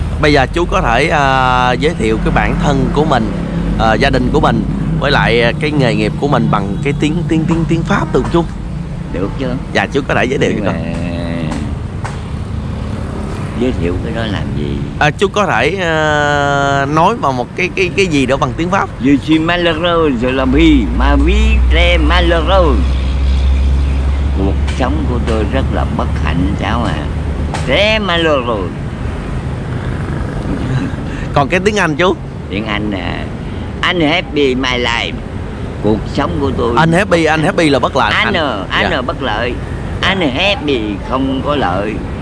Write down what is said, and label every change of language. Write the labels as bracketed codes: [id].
[vi] Bây giờ chú có thể giới thiệu cái bản thân của mình, gia đình của mình, với lại cái nghề nghiệp của mình bằng cái tiếng Pháp được chú? Được chứ. Dạ chú có thể giới thiệu cho con. Giới thiệu cái đó làm gì? Chú có thể nói vào một cái gì đó bằng tiếng Pháp. [fr] Je suis malheureux, je la vie, ma vie très malheureux. [vi] Cuộc sống của tôi rất là bất hạnh cháu ạ. Thế mà luôn rồi. Còn cái tiếng Anh chú? Tiếng Anh nè. [en] Unhappy my life. [vi] Cuộc sống của tôi. Unhappy là bất lợi. Anh bất lợi. Unhappy không có lợi.